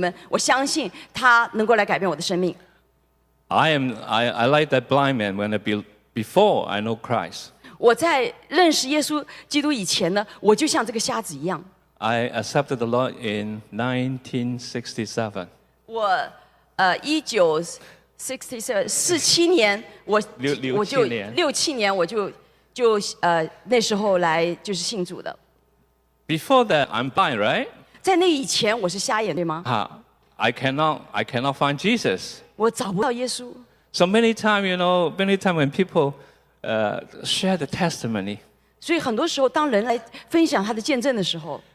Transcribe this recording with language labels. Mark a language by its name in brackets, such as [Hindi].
[Chinese] 所以其实神迹发生的时候，是当他来到这些人的面前，说我愿意相信你们，我要跟随你们，我相信他能够来改变我的生命。 [English] I like that blind man when before I know Christ. [Chinese] 我在认识耶稣基督以前呢，我就像这个瞎子一样。 [English] I accepted the Lord in 1967. [Chinese] 我1967年，我就那时候来就是信主的。Before [English] that, I'm blind, right? [Chinese] 在那以前，我是瞎眼，对吗？ [English] I cannot find Jesus. [Chinese] 我找不到耶稣。So [English] many times, you know, many times when people share the testimony. [Chinese] 所以很多时候，当人来分享他的见证的时候。